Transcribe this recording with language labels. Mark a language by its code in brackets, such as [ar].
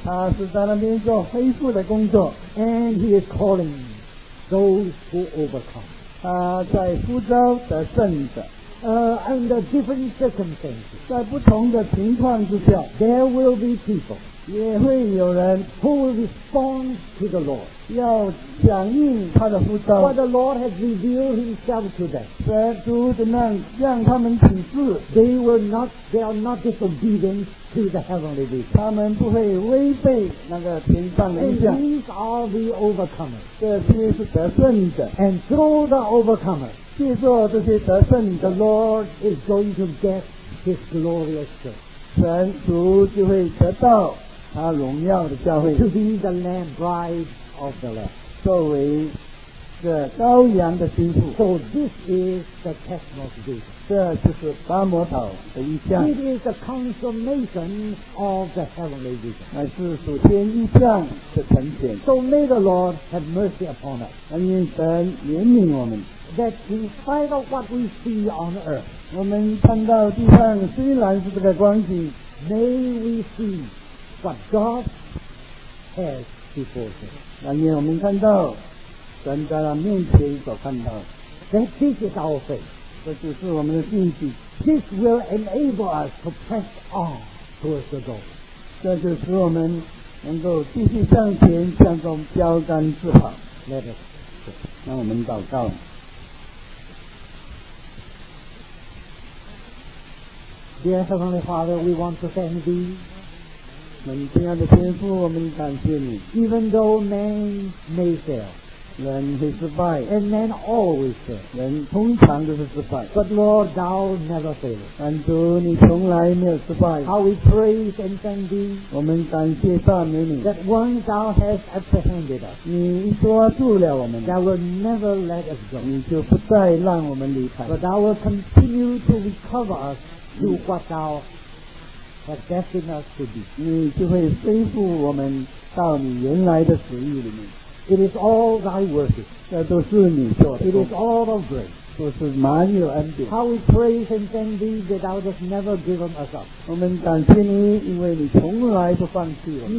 [zh] 他是在那边做恢复的工作 [en] And he is calling those who overcome [zh] 他在呼召得胜者 [en] Under different circumstances [zh] 在不同的情况之下 [en] There will be people [zh] 也会有人 [en] who will respond to the Lord [zh] 要响应他的呼召 [en] But the Lord has revealed himself to them [zh] 神主怎样让他们启示 [en] They are not disobedient to the heavenly vision [zh] 他们不会违背那个天上的意象 [en] And these are the overcomers [zh] 这些是得胜者 [en] And through the overcomers [zh] 借助这些得胜者 [en] The Lord is going to get his glorious church [zh] 神主就会得到他荣耀的教会 [en] to be the lamb bride of the lamb [zh] 作为这羔羊的心腹 [en] so this is the testimony [zh] 这就是巴摩岛的意象 [en] it is the consummation of the heavenly vision [zh] 乃是属天意象的呈现 [en] so may the Lord have mercy upon us [zh] 但愿神怜悯我们 [en] that in spite of what we see on earth [zh] 我们看到地上虽然是这个光景 [en] may we see what God has before him [zh] 但愿我们看到神在他面前所看到 [en] 的 This is our faith [zh] 这就是我们的信心 [en] This will enable us to press on towards the goal [zh] 这就使我们能够继续向前向中标杆自跑 [en] Let us pray [zh] 让我们祷告 [en] Dear Heavenly Father we want to thank thee [zh] 我们亲爱的天父我们感谢你 [en] Even though man may fail [zh] 人会失败 [en] and men always fail [zh] 人通常就是失败 [en] but Lord thou never fail [zh] 但主你从来没有失败 [en] how we praise and thank thee [zh] 我们感谢赞美你 [en] that once thou hast apprehended us [zh] 你抓住了我们 [en] thou will never let us go [zh] 你就不再让我们离开 [en] but thou will continue to recover us to what thou has destined us to be [zh] 你就会恢复我们到你原来的旨意里面 [en] It is all thy work. [zh] 这都是你做的。 [en] It is all of grace. [zh] 都是满有恩典。 [en] How we praise and thank thee that thou hast never given us up. [zh] 我们感谢你，因为你从来不放弃我们。